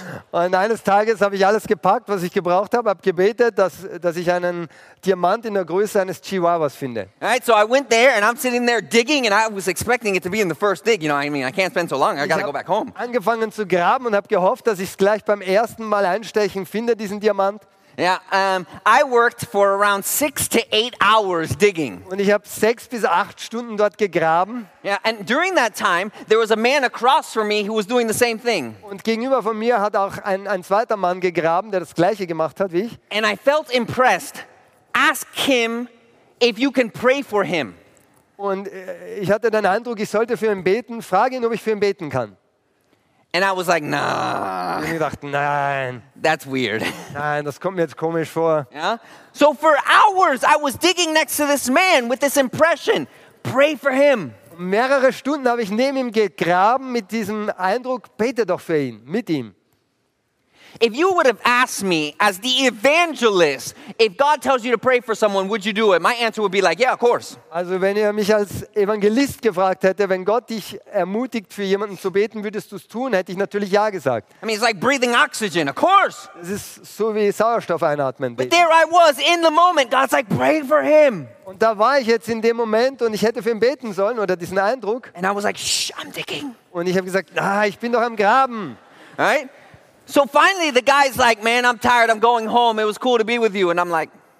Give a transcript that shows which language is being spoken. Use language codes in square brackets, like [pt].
[de] Und eines Tages habe ich alles gepackt, was ich gebraucht habe, habe gebetet, dass ich einen Diamant in der Größe eines Chihuahuas finde. [en] Alright, so I went there and I'm sitting there digging and I was expecting it to be in the first dig. You know, I mean, I can't spend so long, I gotta go back home. [de] Ich habe angefangen zu graben und habe gehofft, dass ich es gleich beim ersten Mal einstechen finde, diesen Diamant. [en] Yeah, I worked for around 6 to 8 hours digging. [de] Und ich habe 6 bis 8 Stunden dort gegraben. [en] Yeah, and during that time, there was a man across from me who was doing the same thing. [de] Und gegenüber von mir hat auch ein zweiter Mann gegraben, der das Gleiche gemacht hat wie ich. [en] And I felt impressed. Ask him if you can pray for him. [de] Und ich hatte den Eindruck, ich sollte für ihn beten. Frage ihn, ob ich für ihn beten kann. [en] And I was like, nah. [de] Und ich dachte, nein. [en] That's weird. [de] Nein, das kommt mir jetzt komisch vor. [en] Yeah? So for hours I was digging next to this man with this impression. Pray for him. [de] Mehrere Stunden habe ich neben ihm gegraben mit diesem Eindruck, bete doch für ihn, mit ihm. [en] If you would have asked me as the evangelist, if God tells you to pray for someone, would you do it? My answer would be like, yeah, of course. [de] Also, wenn ihr mich als Evangelist gefragt hätte, wenn Gott dich ermutigt für jemanden zu beten, würdest du es tun? Hätte ich natürlich ja gesagt. [en] I mean, it's like breathing oxygen. Of course. [de] Es ist so wie Sauerstoff einatmen. [en] But there I was in the moment. God's like, pray for him. [de] Und da war ich jetzt in dem Moment und ich hätte für ihn beten sollen oder diesen Eindruck. [en] And I was like, shh, I'm digging. [de] Und ich habe gesagt, ah, ich bin doch am Graben. [en] Right? So finally the guy's like, man, I'm tired, I'm going home, it was cool to be with you. And I'm like...